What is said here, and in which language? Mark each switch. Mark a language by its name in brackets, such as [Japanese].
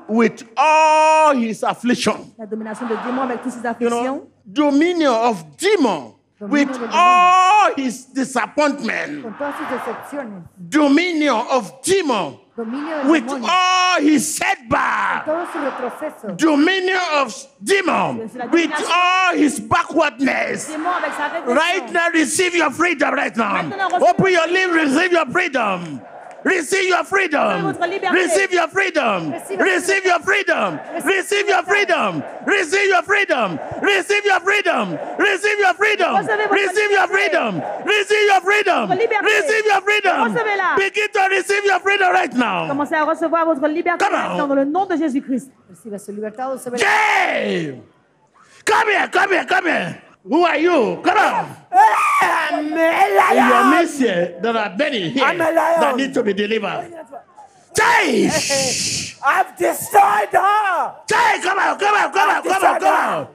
[English] With all his affliction, [French] la domination de démon avec toutes ses afflictions. [English] Dominion of demon, with all his disappointment, dominion of demon, with all his setback, dominion of demon, with all his backwardness, right now receive your freedom right now. Open your lips, receive your freedom. Receive your freedom. Receive your freedom. Receive your freedom. Receive your freedom. Receive your freedom. Receive your freedom. Receive your freedom. Receive your freedom. Receive your freedom. Receive your freedom. Begin to receive your freedom right now. [French] Commencez à recevoir votre liberté dans le nom de Jésus-Christ. [English] Yeah! Come here, come here, come here. Who are you? Come on. I'm a lion. You are missing. There are many here that need to be delivered. Jay! I've destroyed her. Jay, come on, come on, come on, come on, come on.